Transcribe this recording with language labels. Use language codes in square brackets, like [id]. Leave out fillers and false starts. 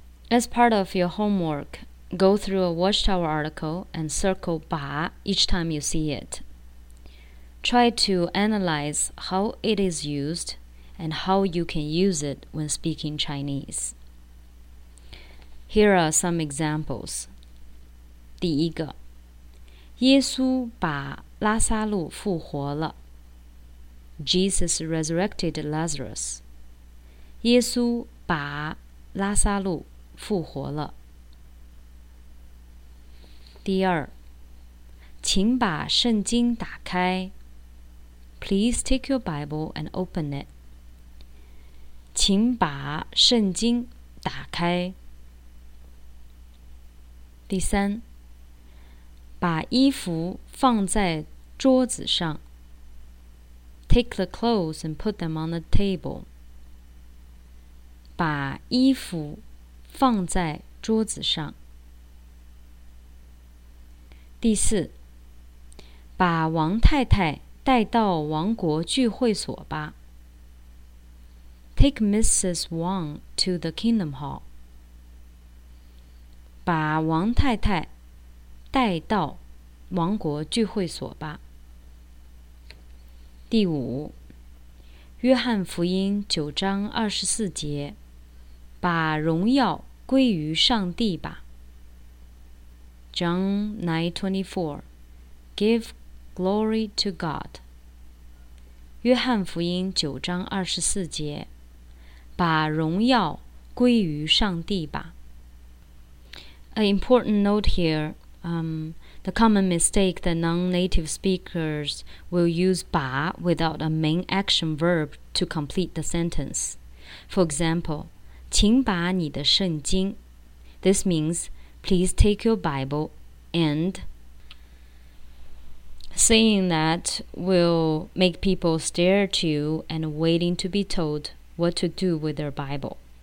[en] As part of your homework, go through a Watchtower article and circle 把 each time you see it. Try to analyze how it is used and how you can use it when speaking Chinese. Here are some examples. [zh] 第一个，耶稣把拉撒路复活了。 [en] Jesus resurrected Lazarus. [zh] 耶稣把拉撒路复活了。第二，请把圣经打开。 [en] Please take your Bible and open it. [zh] 请把圣经打开。第三，把衣服放在桌子上。 [en] Take the clothes and put them on the table. [zh] 把衣服放在桌子上。第四，把王太太带到王国聚会所吧。 [en] Take Mrs. Wang to the kingdom hall. [zh] 把王太太带到王国聚会所吧。第五，约翰福音九章二十四节，把荣耀归于上帝吧。 [en] John 9:24, give glory to God. [zh] 约翰福音九章二十四节，把荣耀归于上帝吧。 [en] An important note here, The common mistake that non-native speakers will use 把 without a main action verb to complete the sentence. For example, [zh] 请把你的圣经 [en] This means, please take your Bible and saying that will make people stare at you and waiting to be told what to do with their Bible.